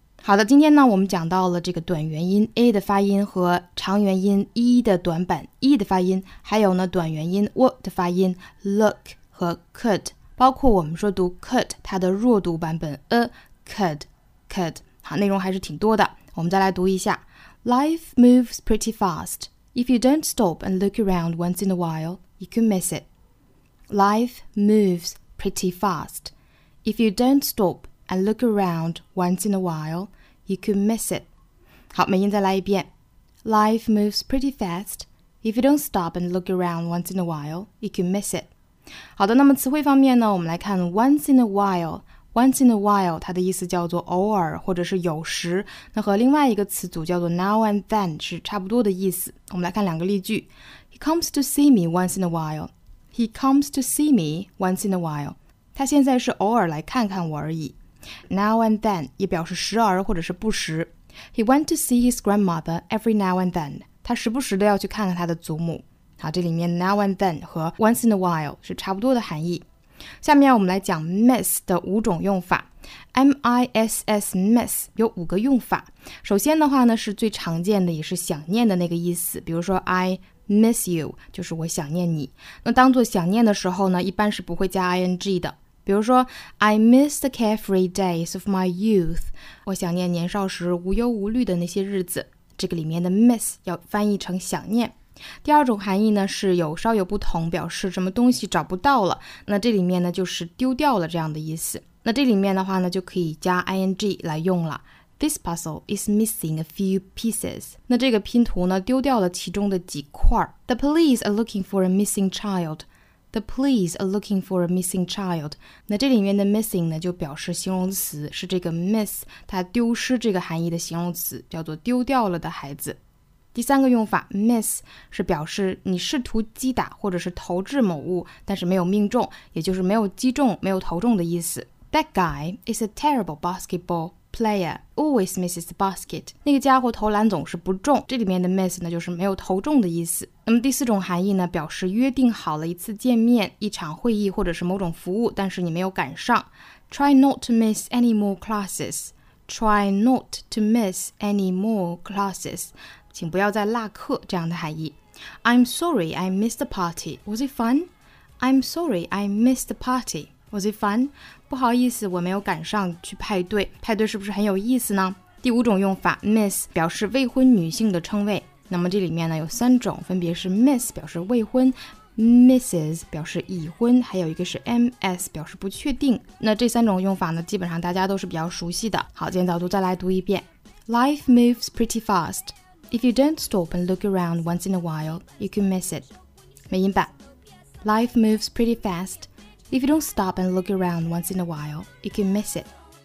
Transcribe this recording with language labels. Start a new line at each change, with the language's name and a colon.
Chinese: 好的，今天呢我们讲到了这个短元音 a 的发音和长元音 e 的短板 e 的发音，还有呢短元音 w 的发音 look 和 could。包括我们说读 could 它的弱读版本 a could could。好，内容还是挺多的，我们再来读一下。
English: Life moves pretty fast. If you don't stop and look around once in a while, you could miss it. Life moves pretty fast. If you don't stop and look around once in a while, you could miss it.
Chinese: 好，美音再来一遍。
English: Life moves pretty fast. If you don't stop and look around once in a while, you could miss it.
Chinese: 好的，那么词汇方面呢，我们来看 once in a while。once in a while 它的意思叫做偶尔或者是有时，那和另外一个词组叫做 now and then 是差不多的意思。我们来看两个例句。
English: He comes to see me once in a while. He comes to see me once in a while.
Chinese: 他现在是偶尔来看看我而已。 now and then 也表示时而或者是不时。
English: He went to see his grandmother every now and then.
Chinese: 他时不时的要去看看他的祖母。好，这里面 now and then 和 once in a while 是差不多的含义。下面我们来讲 miss 的五种用法。miss miss 有五个用法。首先的话呢，是最常见的也是想念的那个意思，比如说
English: I miss you
Chinese: 就是我想念你。那当作想念的时候呢，一般是不会加 ing 的，比如说
English: I miss the carefree days of my youth，
Chinese: 我想念年少时无忧无虑的那些日子。这个里面的 miss 要翻译成想念。第二种含义呢，是有稍有不同，表示什么东西找不到了，那这里面呢就是丢掉了这样的意思。那这里面的话呢就可以加 ing 来用了，
English: This puzzle is missing a few pieces.
Chinese: 那这个拼图呢，丢掉了其中的几块。
English: The police are looking for a missing child. The police are looking for a missing child.
Chinese: 那这里面的 missing 呢，就表示形容词，是这个 miss 它丢失这个含义的形容词，叫做丢掉了的孩子。第三个用法 miss 是表示你试图击打或者是投掷某物，但是没有命中，也就是没有击中、没有投中的意思。
English: That guy is a terrible basketball player, always misses the basket.
Chinese: 那个家伙投篮总是不中，这里面的 miss 呢就是没有投中的意思。那么第四种含义呢，表示约定好了一次见面、一场会议或者是某种服务，但是你没有赶上。
English: Try not to miss any more classes. Try not to miss any more classes.
Chinese: 请不要再落课，这样的含义。
English: I'm sorry I missed the party. Was it fun? I'm sorry I missed the party. Was it fun?
Chinese: 不好意思，我没有赶上去派对。派对是不是很有意思呢？第五种用法 ，miss 表示未婚女性的称谓。那么这里面呢有三种，分别是 miss 表示未婚 ，misses 表示已婚，还有一个是 ms 表示不确定。那这三种用法呢，基本上大家都是比较熟悉的。好，今天早读再来读一遍。
English: Life moves pretty fast. If you don't stop and look around once in a while, you can miss it.
Chinese: 美音版
English: Life moves pretty fast. If you don't stop and look around once in a while, you can miss it.